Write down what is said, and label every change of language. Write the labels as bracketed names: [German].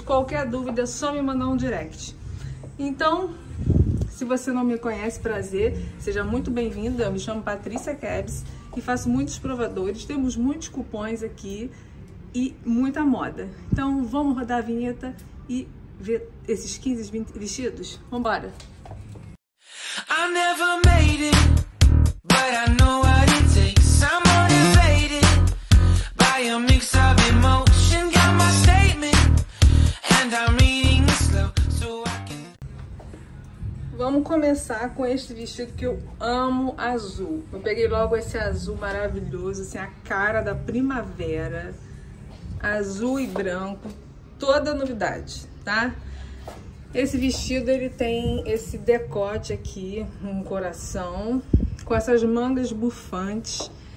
[Portuguese] Qualquer dúvida, é só me mandar um direct. Então, se você não me conhece, prazer. Seja muito bem-vindo. Eu me chamo Patrícia Kebs e faço muitos provadores. Temos muitos cupons aqui e muita moda. Então, vamos rodar a vinheta e ver esses 15 vestidos? Vambora! [English] I never made it, but I know what it takes. I'm motivated by a mix of emotion. Got my statement and I'm reading it slow so I can... [Portuguese] Vamos começar com este vestido que eu amo azul. Eu peguei logo esse azul maravilhoso, assim, a cara da primavera. Azul e branco, toda novidade, tá? Esse vestido, ele tem esse decote aqui, um coração, com essas mangas bufantes.